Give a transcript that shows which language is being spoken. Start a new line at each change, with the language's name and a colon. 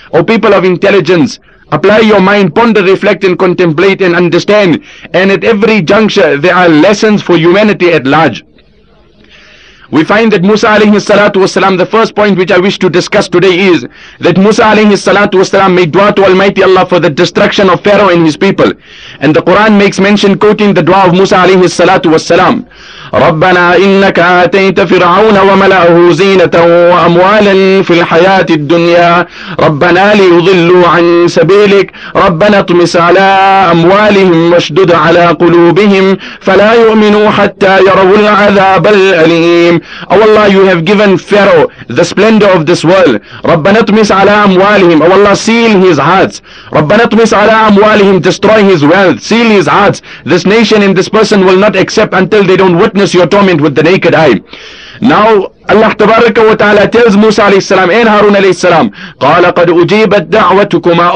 English: O people of intelligence, apply your mind, ponder, reflect and contemplate and understand. And at every juncture, there are lessons for humanity at large. We find that Musa alayhi salatu wasalam, the first point which I wish to discuss today is that Musa alayhi salatu wasalam made dua to Almighty Allah for the destruction of Pharaoh and his people. And the Quran makes mention, quoting the dua of Musa alayhi salatu wasalam,
Arabic: رَبَّنَا إِنَّكَ آتَيْتَ فِرْعَوْنَ وَمَلَأَهُ زِينَةً وَأَمْوَالًا فِي الْحَيَاةِ الدُّنْيَا رَبَّنَا لِيُضِلُّوا عَن سَبِيلِكَ رَبَّنَا اطْمِسْ عَلَى أَمْوَالِهِمْ وَاشْدُدْ عَلَى قُلُوبِهِمْ فَلَا يُؤْمِنُوا حَتَّى يَرَوُا الْعَذَابَ الْأَلِيمَ.
English: Oh Allah, you have given Pharaoh the splendor of this world.
Arabic: رَبَّنَا اطْمِسْ عَلَى أَمْوَالِهِمْ.
English: Oh Allah, seal his hearts.
Arabic: رَبَّنَا اطْمِسْ عَلَى أَمْوَالِهِمْ.
English: Destroy his wealth. Seal his hearts. This nation and this person will not accept until they don't witness your torment with the naked eye. Now Allah Tabaraka wa Ta'ala tells Musa alayhi salam and Harun alayhi salam,
Arabic: قَالَ قَدْ أُجِيبَتْ دَعْوَتُكُمَا.